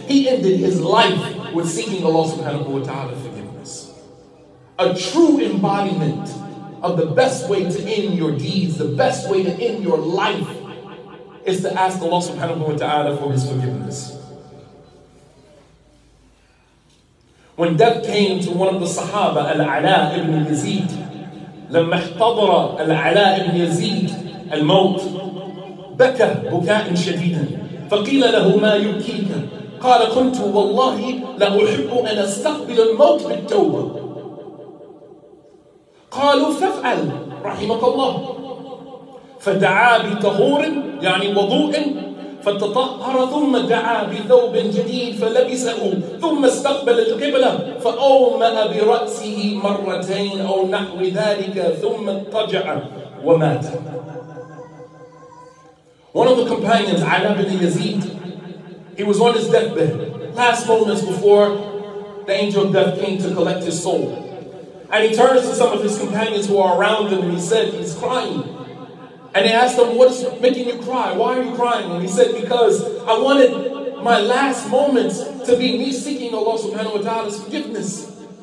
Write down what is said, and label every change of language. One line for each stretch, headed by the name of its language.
English: He ended his life with seeking Allah subhanahu wa ta'ala forgiveness. A true embodiment of the best way to end your deeds, the best way to end your life, is to ask Allah subhanahu wa ta'ala for his forgiveness. When death came to one of the Sahaba, Al-Ala ibn Yazid,
Arabic: لَمَّ احْتَضَرَ Al-Ala ibn Yazid الموت, بَكَى بُكَاءً شَدِيدًا, فَقِيلَ لَهُ مَا يُبْكِيكَ, قَالَ كُنْتُ وَاللَّهِ لَأُحِبُّ أَنْ أَسْتَقْبِلَ الْمَوْتَ بِالتَّوْبَةِ, قَالُوا فَافْعَلْ رَحِمَكَ اللَّهُ, فَدَعَى بِطَهُورٍ يعني وَضُوءٍ, فتطهر ثم دعا بثوب جديد فلبسه ثم استقبل القبلة فأومأ برأسه مرتين أو نحو ذلك ثم اضطجع ومات.
English: One of the companions, Ala ibn Yazid, he was on his deathbed, last moments before the angel of death came to collect his soul. And he turns to some of his companions who are around him and he said, he's crying. And they asked him, what is making you cry? Why are you crying? And he said, because I wanted my last moments to be me seeking Allah subhanahu wa ta'ala's forgiveness.